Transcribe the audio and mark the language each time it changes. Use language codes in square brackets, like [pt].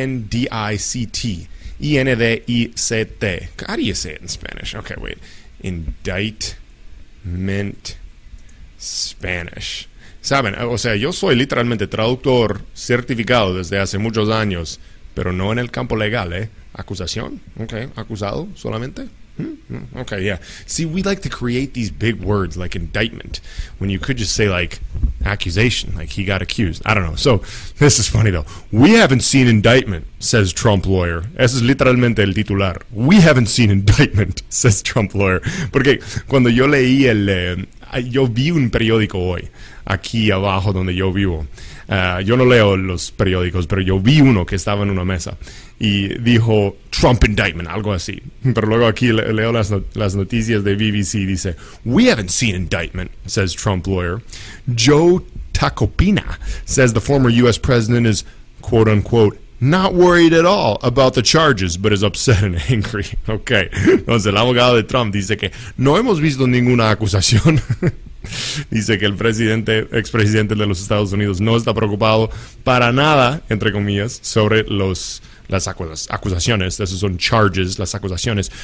[en] I-N-D-I-C-T. I-N-D-I-C-T. How do you say it in Spanish? Okay, wait. Indictment Spanish. [es] Saben, o sea, yo soy literalmente traductor certificado desde hace muchos años, pero no en el campo legal, ¿eh? Acusación. Okay, acusado solamente. Okay, yeah. [en] See, we like to create these big words like indictment when you could just say like accusation, like he got accused. I don't know. So, this is funny though. We haven't seen indictment, says Trump lawyer. [es] Eso es literalmente el titular. [en] We haven't seen indictment, says Trump lawyer. [es] Porque cuando yo leí el... yo vi un periódico hoy, aquí abajo donde yo vivo. Yo no leo los periódicos, pero yo vi uno que estaba en una mesa y dijo Trump indictment, algo así. Pero luego aquí leo las noticias de BBC, dice [en] we haven't seen indictment, says Trump lawyer. Joe Tacopina says the former U.S. president is quote unquote not worried at all about the charges, but is upset and angry. [es] Okay, entonces el abogado de Trump dice que no hemos visto ninguna acusación. Dice que el presidente, expresidente de los Estados Unidos, no está preocupado para nada, entre comillas, sobre los las acusaciones. Esos son charges, las acusaciones.